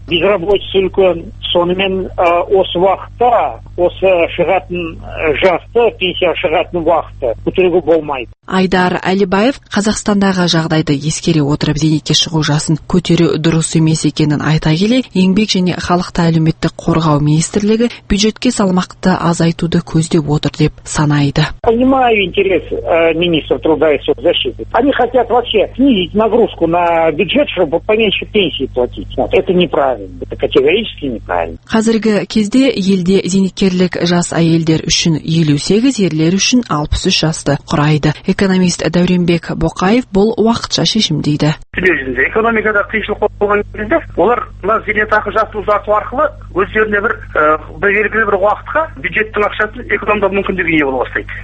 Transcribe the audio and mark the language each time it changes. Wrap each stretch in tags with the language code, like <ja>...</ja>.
<kk>Безработица үлкен. Сонымен осы уақытта, осы шығатын жасты, пенсия шығатын уақытты көтеруге болмайды. Айдар Әлібаев Қазақстандағы жағдайды ескере отырып, зейнетке шығу жасын көтеру дұрыс емес екенін айта келе, Еңбек және халықты әлеуметтік қорғау министрлігі бюджетке салмақты азайтуды көздеп отыр деп санайды.</kk> <ru>Понимаю интерес министра труда и соцзащиты. Они хотят вообще снизить нагрузку на бюджет, чтобы поменьше пенсии платить. Это неправильно, это категорически неправильно.</ru> <kk>Қазіргі кезде елде зейнеткерлік жас әйелдер үшін 58, ерлер үшін 63 жасты құрайды. Экономист Дәуренбек Боқаев бұл уақытша шешім дейді. Сүйінде экономикада қиыншылық болған кезде, олар мына зейнетақы жасты ұзарту арқылы өздеріне бір белгілі бір уақытқа бюджеттің ақшасын экономдау мүмкіндігіне ие бола бастайды.</kk>